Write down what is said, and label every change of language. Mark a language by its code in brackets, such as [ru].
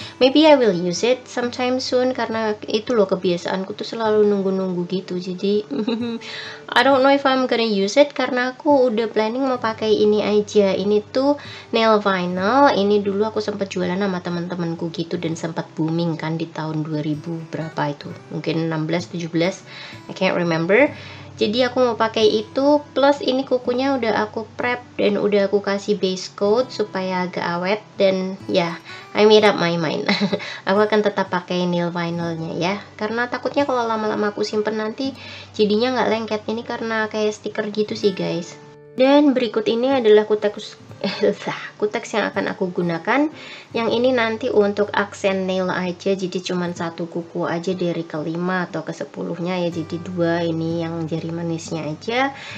[en] Maybe I will use it sometime soon, [id] karena itu loh kebiasaanku tuh selalu nunggu-nunggu gitu. Jadi [en] I don't know if I'm gonna use it, [id] karena aku udah planning mau pakai ini aja. Ini tuh nail vinyl. Ini dulu aku sempat jualan sama teman-temanku gitu dan sempat booming kan di tahun 2000 berapa itu? [en] Mungkin 16-17, I can't remember. [id] Jadi aku mau pakai itu, plus ini kukunya udah aku prep dan udah aku kasih base coat supaya agak awet. [en] Dan ya, yeah, I made up my mind. [id] Aku akan tetap pakai nail vinylnya ya, karena takutnya kalau lama-lama aku simpen nanti jadinya nggak lengket. Ini karena kayak stiker gitu sih guys. Dan berikut ini adalah kutex yang akan aku gunakan. Yang ini nanti untuk aksen nail aja, jadi cuman satu kuku aja dari kelima atau kesepuluhnya ya, jadi dua ini yang jari manisnya aja.